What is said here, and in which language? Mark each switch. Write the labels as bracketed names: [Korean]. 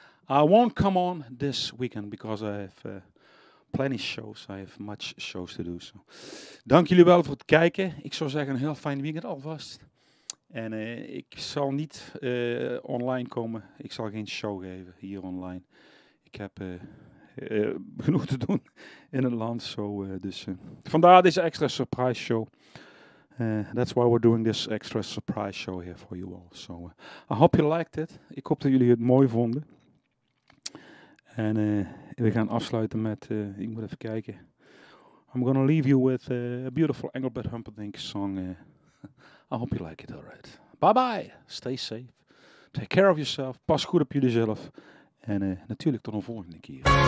[English] I won't come on this weekend because I have plenty shows. I have much shows to do. So. [Dutch] Dank jullie wel voor het kijken. Ik zou zeggen een heel fijn weekend alvast. En ik zal niet online komen. Ik zal geen show geven hier online. Ik heb genoeg te doen in het land. So, vandaar deze extra surprise show. [English] That's why we're doing this extra surprise show here for you all. So, I hope you liked it. [Dutch] Ik hoop dat jullie het mooi vonden. En we gaan afsluiten met, ik moet even kijken. [English] I'm gonna leave you with a beautiful Engelbert Humperdinck song. I hope you like it, alright. Bye bye, stay safe. Take care of yourself, [Dutch] pas goed op jullie zelf. En natuurlijk tot een volgende keer.